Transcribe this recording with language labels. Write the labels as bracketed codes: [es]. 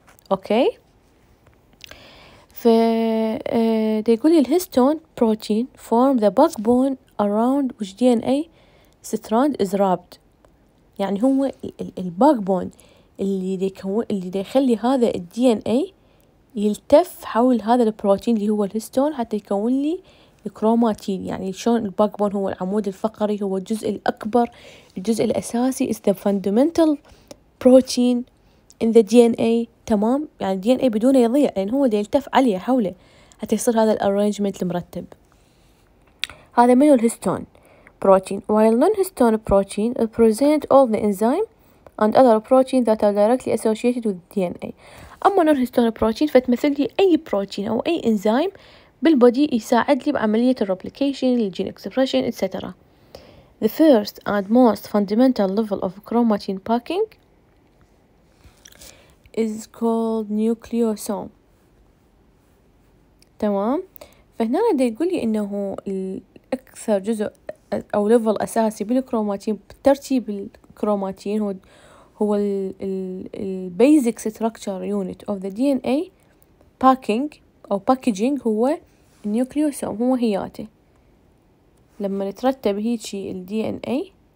[ar] اوكي ف يقول لي الهيستون بروتين [en] form the backbone around which D N A strand is wrapped, [ar] يعني هو الباك بون اللي دي يكون اللي دي يخلي هذا الدي ان اي يلتف حول هذا البروتين اللي هو الهيستون حتى يكون لي الكروماتين. يعني شلون الباك بون هو العمود الفقري، هو الجزء الاكبر الجزء الاساسي [en] is the fundamental protein in the DNA [ar] تمام، يعني الدي ان اي بدونه يضيع لان يعني هو اللي يلتف عليه حوله حتى يصير هذا الارانجمنت المرتب. هذا منو الهيستون [en] protein، while non-histone protein present all the enzyme and other protein that are directly associated with DNA. [ar] أما non-histone protein فتمثل لي أي protein أو أي enzyme بالبودي يساعد لي بعملية replication, gene expression, etc. [en] The first and most fundamental level of chromatin packing is called nucleosome. [ar] تمام؟ فهنا دا يقول لي إنه الأكثر جزء او ليفل اساسي بالكروماتين بترتيب الكروماتين هو [en] البيزك structure unit of the D N A packing او packaging [ar] هو النيوكليوسوم، هو هياته لما نترتب هيجي الدي ان اي